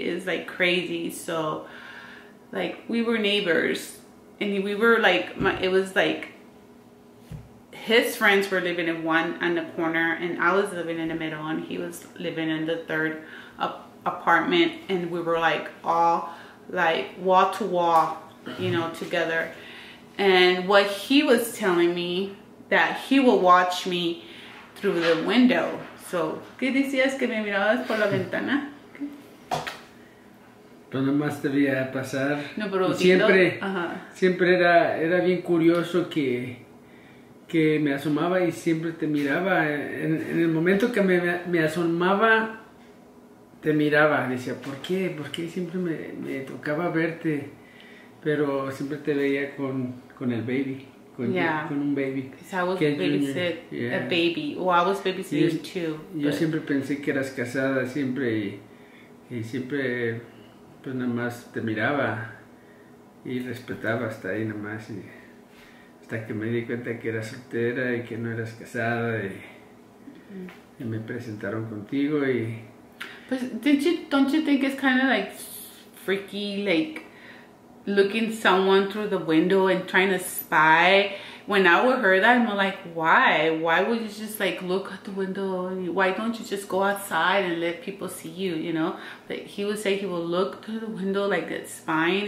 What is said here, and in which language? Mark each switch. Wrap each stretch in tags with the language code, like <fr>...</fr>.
<en>It's like crazy. So like we were neighbors, and we were like, my, it was like his friends were living in one on the corner, and I was living in the middle, and he was living in the third apartment, and we were like all like wall to wall, you know, together. And what he was telling me, that he will watch me through the window.</en> <es>So, ¿qué decías que me mirabas por la ventana? Pero no más te veía pasar. No, pero siempre, siempre era bien curioso que me asomaba y siempre te miraba. En el momento que me asomaba, te miraba. Decía, ¿por qué? ¿Por qué siempre me tocaba verte? Pero siempre te veía con el baby, con un baby.</es> <en>So I was babysitting a baby. Well, I was babysitting too.</en> <es>Yo siempre pensé que eras casada, siempre, y siempre, pues nada más te miraba y respetaba hasta ahí nada más. Y hasta que me di cuenta que eras soltera y que no eras casada, y me presentaron contigo y...</es> <en>Pues, don't you think it's kind of like freaky, like... looking someone through the window and trying to spy? When I would hear that, I'm like, why would you just like look out the window? Why don't you just go outside and let people see you, you know? But he would say he will look through the window like it's spying.</en>